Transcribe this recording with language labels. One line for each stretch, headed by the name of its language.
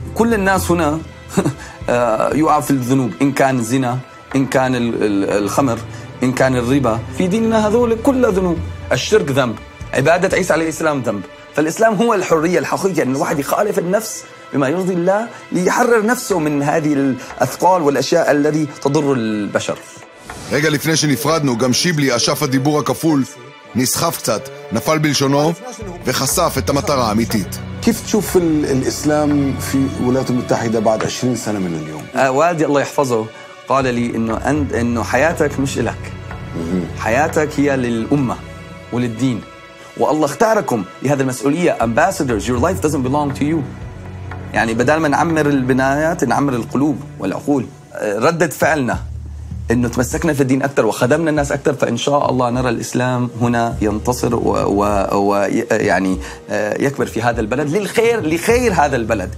Arabic: كل الناس هنا يقع في الذنوب، إن كان الزنا، إن كان الخمر، إن كان الربا. في ديننا هذول كل ذنوب، الشرك ذنب، عبادة عيسى عليه السلام ذنب. فالإسلام هو الحرية الحقيقية، أن الواحد يخالف النفس بما يرضي الله ليحرر نفسه من هذه الأثقال والأشياء التي تضر البشر. رجع
Hebrew: לפני שנפרדנו גם שיבלי אשף הדיבור הכפול נסחף קצת נפל בלשונו וחשף את המטרה האמיתית.
Arabic: كيف تشوف الإسلام في الولايات المتحدة بعد 20 سنة من اليوم؟ والدي الله يحفظه قال لي إنه حياتك مش لك، حياتك هي للأمة وللدين، والله اختاركم لهذه المسؤولية.
English: Ambassadors, your life doesn't belong to you.
Arabic: يعني بدل ما نعمر البنايات نعمر القلوب والعقول. ردت فعلنا إنه تمسكنا في الدين أكثر وخدمنا الناس أكثر، فإن شاء الله نرى الإسلام هنا ينتصر ويعني يكبر في هذا البلد للخير، لخير هذا البلد.